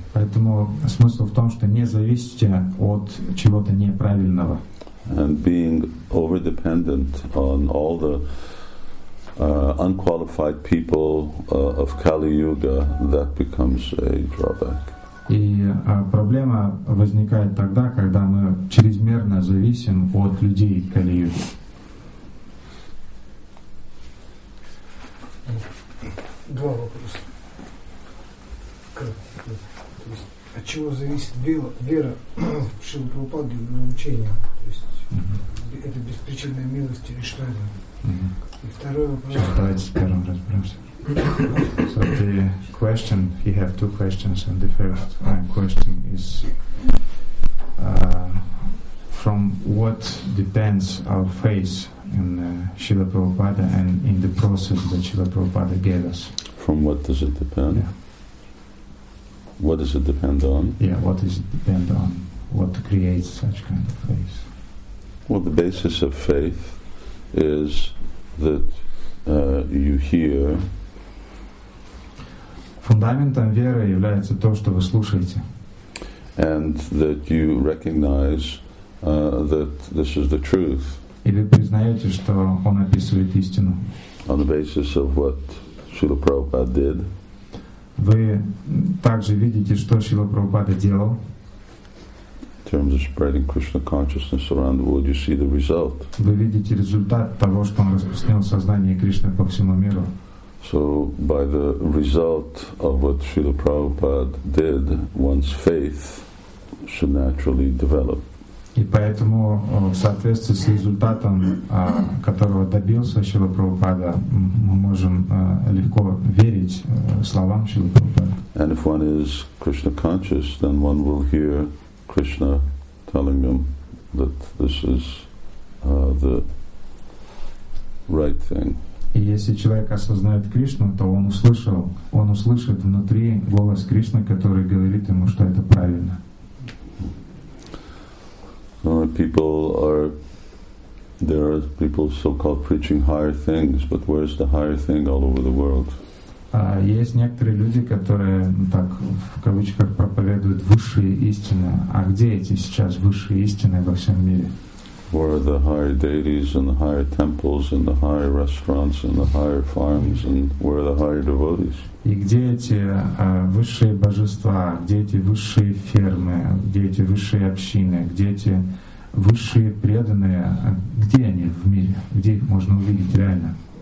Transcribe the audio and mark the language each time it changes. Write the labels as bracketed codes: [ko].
[ru] Поэтому смысл в том, что не зависите от чего-то неправильного. [en] And being over dependent on all the unqualified people of Kali Yuga, that becomes a drawback. [ru] И проблема возникает тогда, когда мы чрезмерно зависим от людей Кали Юги. Два вопроса. То есть, от чего зависит вера в Шрилу Прабхупаду и его учение? То есть, это беспричинная милость или что это? И второй вопрос. Сейчас давайте с первым разберемся. [en] So the question, you have two questions, and the first question is from what depends our faith in Srila Prabhupada and in the process that Srila Prabhupada gave us. From what does it depend? Yeah. What does it depend on? Yeah, what does it depend on? What creates such kind of faith? Well, the basis of faith is that you hear. [ru] В Фундаментом веры является то, что вы слушаете. [en] And that you recognize that this is the truth. [ru] И вы признаете, что он описывает истину. [en] On the basis of what Srila Prabhupada did. [ru] Вы также видите, что Шрила Прабхупада делал. [en] In terms of spreading Krishna consciousness around the world, you see the result. [ru] Вы видите результат того, что он распространил сознание Кришны по всему миру. [en] So by the result of what Srila Prabhupada did, one's faith should naturally develop. [ru] И поэтому в соответствии с результатом, которого добился Шрила Прабхупада, мы можем легко верить словам Шрила Прабхупада. [en] And if one is Krishna conscious, then one will hear Krishna telling them that this is the right thing. [ru] И если человек осознает Кришну, то он услышит внутри голос Кришны, который говорит ему, что это правильно. [en] There are people so-called preaching higher things, but where's the higher thing all over the world? [ru] Есть некоторые люди, которые так в кавычках проповедуют высшие истины. А где эти сейчас высшие истины во всем мире? [en] Where are the higher deities and the higher temples and the higher restaurants and the higher farms and where are the higher devotees? [ru] И где эти высшие божества, где эти высшие фермы, где эти высшие общины, где эти высшие преданные, где они в мире, где их можно увидеть реально?